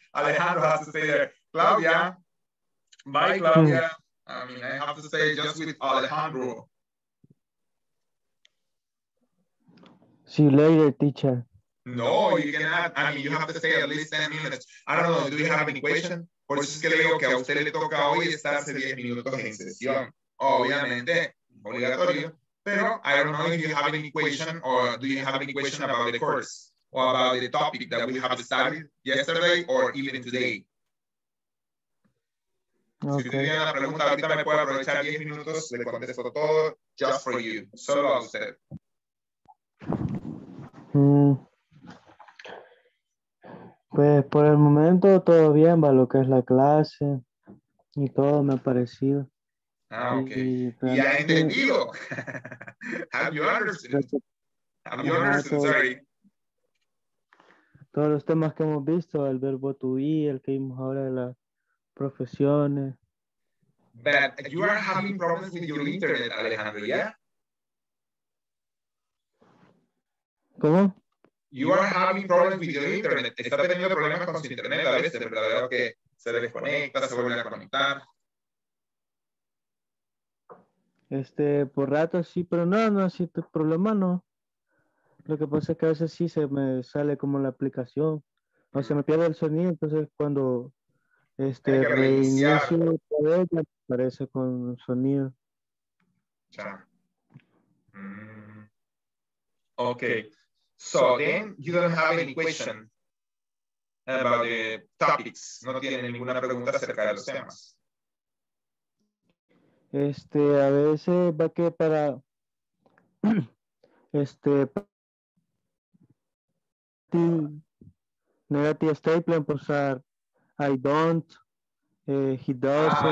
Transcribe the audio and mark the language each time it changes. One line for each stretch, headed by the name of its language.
English: Alejandro has to stay there. Claudia, bye, Claudia. I mean, I have to stay just with Alejandro. See you later, teacher. No, you cannot. I mean, you have to stay at least 10 minutes. I don't know. Do you have any question?
Spanish: Por eso es que le digo que a usted le toca hoy estarse 10 minutos en sesión. Obviamente, obligatorio.
English: Pero I don't know if you have any question or do you have any question about the course or about the topic that we have studied yesterday or even today. Okay.
Spanish: Si usted tiene una pregunta, ahorita me puede aprovechar 10 minutos. Le contesto todo
English: just for you.
Spanish: Solo a usted. Pues por el momento todo bien, va lo que es la clase y todo me ha parecido.
English: Ah, ok.
Spanish: Y ha entendido.
English: Have you understood? Have you understood? Sorry.
Spanish: Todos los temas que hemos visto, el verbo to be, el que vimos ahora de las profesiones.
English: But you are having problems with your internet, Alejandro, yeah?
Spanish: ¿Cómo?
English: You are having problems with your internet.
Spanish: Está teniendo problemas con su internet a veces, ¿verdad? Veo que se desconecta, se vuelve a conectar. Por rato sí, pero no, si tu problema no. Lo que pasa es que a veces sí se me sale como la aplicación. O se me pierde el sonido, entonces cuando reinicio otra vez, me aparece con sonido. Ya. Ok.
English: So then you don't have any question about the topics.
Spanish: No tiene ninguna pregunta acerca de los temas. A veces va que para negative statement, usar
English: I don't, he doesn't.